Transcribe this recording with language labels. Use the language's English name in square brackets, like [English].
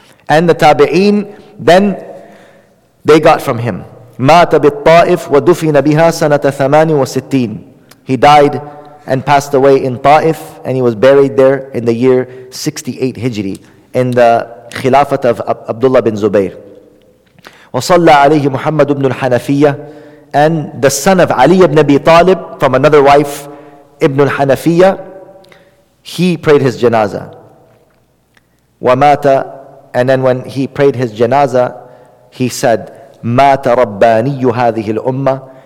[English] And the tabi'een, then they got from him. [Arabic] مَاتَ بِالطَّائِفْ وَدُفِنَ بِهَا سَنَةَ 68. [English] He died and passed away in Ta'if, and he was buried there in the year 68 Hijri, in the Khilafat of Abdullah bin Zubayr. [Arabic] وصلى عليه محمد بن الحنفية, [English] and the son of Ali ibn Abi Talib, from another wife, Ibn al-Hanafiyy, he prayed his janazah. [Arabic] ومات, [English] and then when he prayed his janazah, he said, [Arabic] مات رباني هذه الأمة.